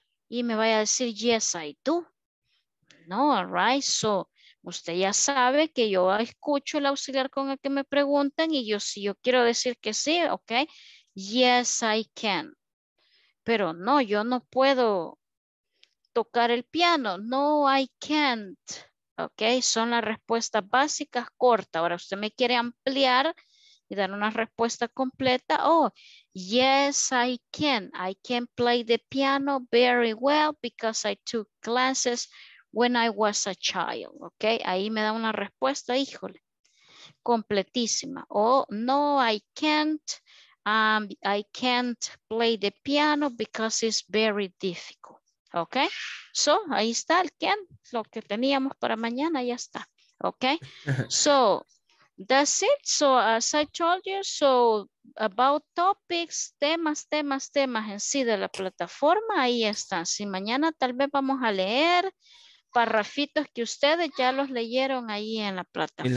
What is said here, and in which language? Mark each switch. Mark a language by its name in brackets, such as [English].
[Spanish] Y me vaya a decir, [English] yes, I do. [Spanish] No, all right, so usted ya sabe que yo escucho el auxiliar con el que me preguntan y yo, si yo quiero decir que sí, ok, [English] yes, I can. [Spanish] Pero no, yo no puedo... tocar el piano. [English] No, I can't. [Spanish] Ok, son las respuestas básicas cortas. Ahora usted me quiere ampliar y dar una respuesta completa. [English] Oh, yes, I can. I can play the piano very well because I took classes when I was a child. [Spanish] Ok, ahí me da una respuesta, híjole, completísima. [English] Oh, no, I can't. I can't play the piano because it's very difficult. Ok. [Spanish] So, ahí está el Ken, lo que teníamos para mañana, ya está. [English] Ok. So, that's it. So, as I told you, so, about topics, [Spanish] temas en sí de la plataforma, ahí está. Si mañana tal vez vamos a leer parrafitos que ustedes ya los leyeron ahí en la plataforma.